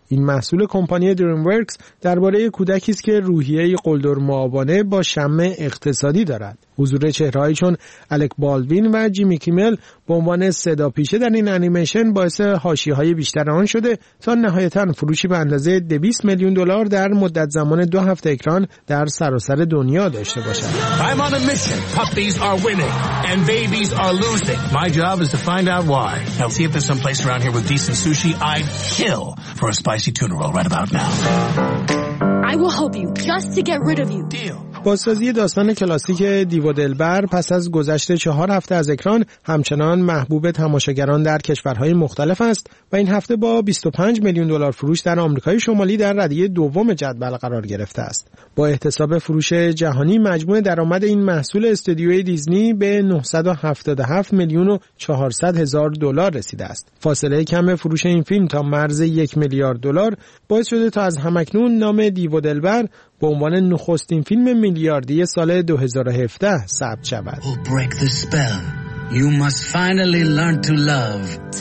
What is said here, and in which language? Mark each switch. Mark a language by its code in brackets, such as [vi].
[fa] این محصول کمپانی دریم ورکس درباره کودکی است که روحیه‌ای قلدر معابانه با شمع اقتصادی دارد. حضور چهره‌ای چون الک بالوین و جیمی کیمل به عنوان صداپیشه در این انیمیشن باعث حاشیه‌های بیشتر آن شده تا نهایتاً فروشی به اندازه 200 میلیون دلار در مدت زمان 2 هفته اکران در سراسر دنیا داشته باشد. [en] I'm on a mission. Puppies are winning and babies are losing. My job is to find out why. Now see if there's some place around here with decent sushi. I'd kill for a spicy tuna roll right about now. I will help you just to get rid of you. Deal. [fa] بازسازی داستان کلاسیک دیو و دلبر پس از گذشت 4 هفته از اکران همچنان محبوب تماشاگران در کشورهای مختلف است و این هفته با 25 میلیون دلار فروش در آمریکای شمالی در ردیه دوم جدول قرار گرفته است. با احتساب فروش جهانی مجموع درآمد این محصول استودیوی دیزنی به 977 میلیون و 400 هزار دلار رسیده است. فاصله کم فروش این فیلم تا مرز 1 میلیارد دلار باعث شده تا از همکنون نام دیو و دلبر به عنوان نخستین فیلم میلیاردی سال 2017 ثبت شود. [en] We'll break the spell. You must finally learn to love.